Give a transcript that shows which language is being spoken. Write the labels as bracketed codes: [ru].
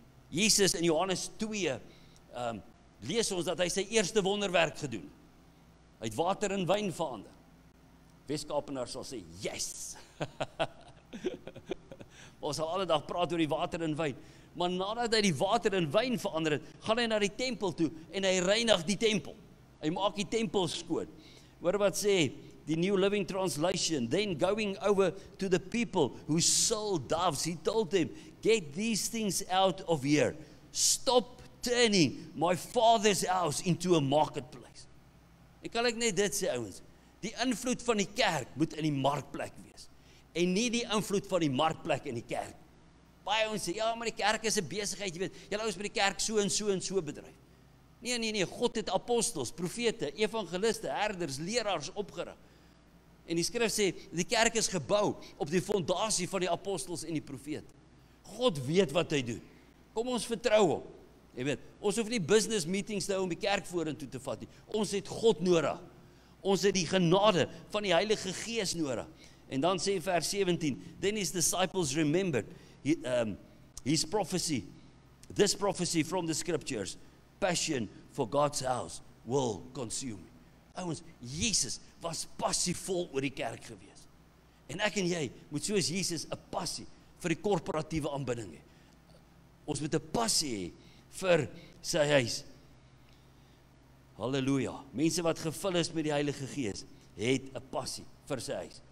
[af] Jesus in Johannes 2, lees ons dat hy sy eerste wonderwerk gedoen, hy het water in wijn verander, Weskapenaar sal sê, yes, ons sal alle dag praat oor die water in wijn, maar nadat hy die water in wijn verander het, gaan hy na die tempel toe, en hy reinig die tempel, hy maak die tempel skoon. Hoor wat sê, die [en] New Living Translation, then going over to the people, who sold doves, he told them, get these things out of here, stop turning my father's house into a marketplace. [af] En kan ek net dit sê, ouwens, die invloed van die kerk, moet in die markplek wees, en nie die invloed van die marktplek in die kerk. Baie ons sê, ja, maar die kerk is 'n besigheid, jy weet, julle ouens met die kerk so en so en so bedryf. Nee, nee, nee, God het apostels, profete, evangeliste, herders, leraars opgerig. En die skrif sê, die kerk is gebou op die fondasie van die apostels en die profete. God weet wat hy doen. Kom ons vertrou hom. Jy weet, ons hoef nie business meetings te hou om die kerk vorentoe te vat nie. Ons het God nodig. Ons het die genade van die Heilige Gees nodig. En dan sê vers 17, [en] then his disciples remembered his prophecy, this prophecy from the scriptures, passion for God's house will consume. [af] Ouens, Jesus was passievol oor die kerk gewees. En ek en jy moet soos Jesus 'n passie vir die korporatiewe aanbidding hê. Ons moet 'n passie hê vir sy huis. Halleluja. Mense wat gevul is met die Heilige Gees, het 'n passie vir sy huis.